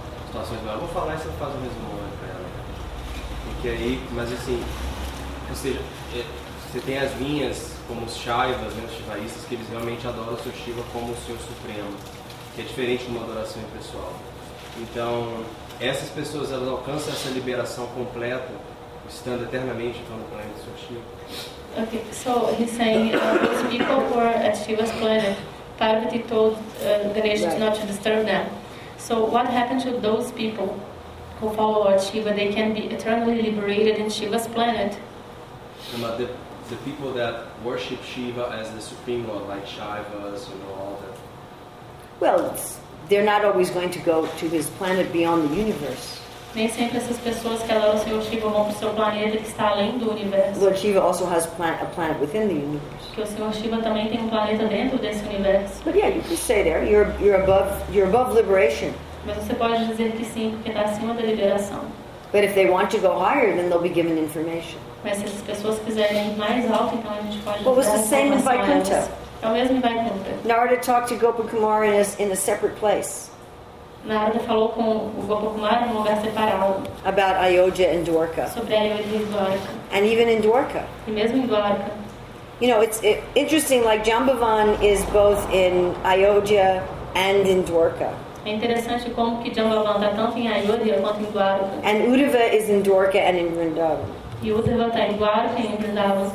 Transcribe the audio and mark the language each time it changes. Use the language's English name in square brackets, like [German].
[Portuguese] Eu vou falar isso, eu faço o mesmo nome para ela. Porque aí, mas assim, ou seja, você tem as linhas como os Shaivas, né, os Shivaístas, que eles realmente adoram o seu Shiva como o Senhor Supremo, que é diferente de uma adoração impessoal. Então, essas pessoas, elas alcançam essa liberação completa, estando eternamente no planeta do seu Shiva. [English] Okay, so he's saying, those people who are at Shiva's planet, Parvati told Ganesha not to disturb them. So what happened to those people who follow Lord Shiva? They can be eternally liberated in Shiva's planet. But the people that worship Shiva as the supreme lord, like Shaivas, you know, all that. Well, they're not always going to go to his planet beyond the universe. [Portuguese] Nem sempre essas pessoas que adoram o Senhor Shiva vão para o seu planeta que está além do universo. [English] Lord Shiva also has a planet within the universe. [Portuguese] Que o Senhor Shiva também tem um planeta dentro desse universo. [English] But yeah, you could say there, you're above liberation. [Portuguese] Mas você pode dizer que sim, porque está acima da liberação. [English] But if they want to go higher, then they'll be given information. [Portuguese] Mas se essas pessoas quiserem ir mais alto, então a gente pode. [English] What was the same in Vaikuntha? [Portuguese] É o mesmo em Vaikuntha. [English] Narada talked to Gopakumara in a separate place. [Portuguese] Narada falou com o Gopakumara em um lugar separado. [English] About Ayodhya and Dwarka. [Portuguese] Sobre Ayodhya e Dwarka. [English] And even in Dwarka. [Portuguese] E mesmo em Dwarka. [English] You know, it's interesting, like Jambavan is both in Ayodhya and in Dwarka. [Portuguese] É interessante como que Jambavan está tanto em Ayodhya quanto em Dwarka. [English] And Uddhava is in Dwarka and in Vrindavan. [Portuguese] E Uddhava está em Dwarka e em Vrindavan.